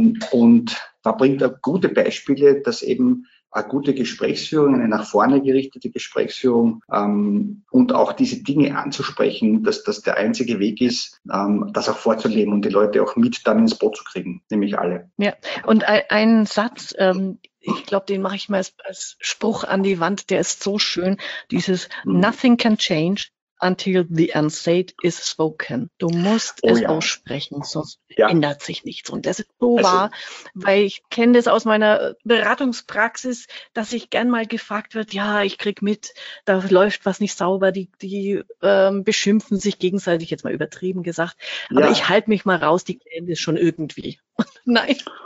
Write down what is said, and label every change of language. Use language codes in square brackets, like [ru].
[de] Und da bringt er gute Beispiele, dass eben eine gute Gesprächsführung, eine nach vorne gerichtete Gesprächsführung und auch diese Dinge anzusprechen, dass das der einzige Weg ist, das auch vorzuleben und die Leute auch mit dann ins Boot zu kriegen, nämlich alle. Ja, und ein Satz, ich glaube, den mache ich mal als Spruch an die Wand, der ist so schön, dieses [en] Nothing can change, until the unsaid is spoken. [de] Du musst es aussprechen, sonst ändert sich nichts. Und das ist so wahr, weil ich kenne das aus meiner Beratungspraxis, dass ich gern mal gefragt wird, ja, ich krieg mit, da läuft was nicht sauber, die beschimpfen sich gegenseitig, jetzt mal übertrieben gesagt, aber ich halte mich mal raus, die klären das schon irgendwie. Nein.